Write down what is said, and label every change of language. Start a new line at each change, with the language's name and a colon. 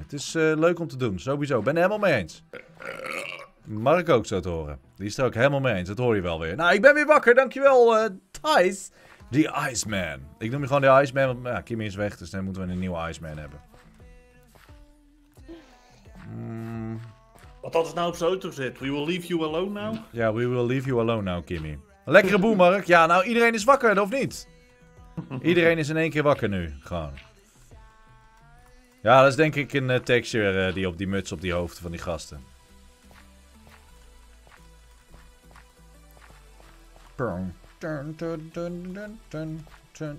Dutch: Het is leuk om te doen. Sowieso. Ben er helemaal mee eens. Mark ook zo te horen. Die is er ook helemaal mee eens. Dat hoor je wel weer. Nou, ik ben weer wakker. Dankjewel, Thijs. The Iceman. Ik noem je gewoon de Iceman. Want ja, Kimmy is weg. Dus dan moeten we een nieuwe Iceman hebben. Wat had het nou op zijn auto zit?
English: We will leave you alone now?
Dutch: Ja,
English: yeah, we will leave you alone now, Kimmy.
Dutch: Lekkere boel, Mark. Ja, nou, iedereen is wakker, of niet? Iedereen is in één keer wakker nu. Gewoon. Ja, dat is denk ik een texture die op die muts op die hoofden van die gasten. Dun, dun, dun, dun, dun, dun.